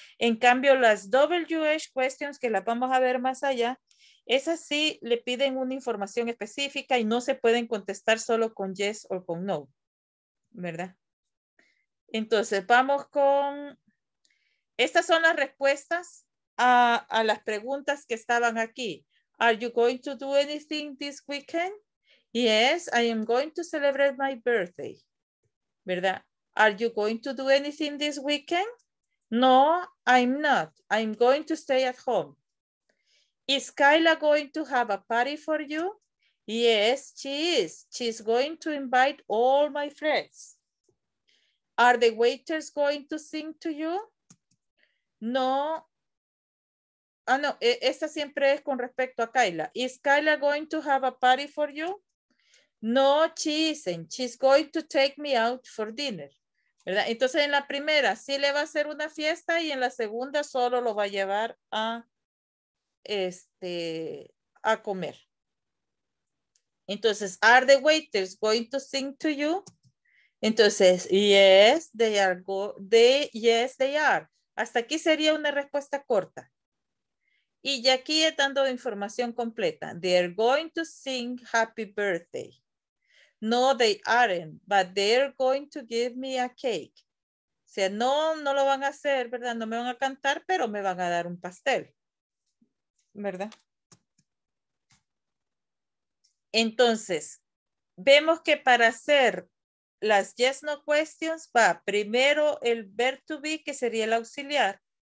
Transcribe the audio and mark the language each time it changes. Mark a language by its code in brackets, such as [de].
[es] En cambio, las WH questions, que las vamos a ver más allá, esas sí le piden una información específica y no se pueden contestar solo con yes o con no, ¿verdad? Entonces, vamos con... Estas son las respuestas a las preguntas que estaban aquí. [en] Are you going to do anything this weekend? Yes, I am going to celebrate my birthday. [es] ¿Verdad? [en] Are you going to do anything this weekend? No, I'm not. I'm going to stay at home. Is Kyla going to have a party for you? Yes, she is. She's going to invite all my friends. Are the waiters going to sing to you? [es] No, no, esta siempre es con respecto a Kyla. [en] Is Kyla going to have a party for you? No, she isn't. She's going to take me out for dinner. [es] ¿Verdad? Entonces, en la primera sí le va a hacer una fiesta y en la segunda solo lo va a llevar a, este, a comer. Entonces, [en] are the waiters going to sing to you? [es] Entonces, [en] yes, they are. Yes, they are. [es] Hasta aquí sería una respuesta corta. Y ya aquí dando información completa. [en] They're going to sing happy birthday. No, they aren't, but they're going to give me a cake. [es] O sea, no, no lo van a hacer, ¿verdad? No me van a cantar, pero me van a dar un pastel. ¿Verdad? Entonces, vemos que para hacer... las yes, no questions, va primero el verb to be, que sería el auxiliar.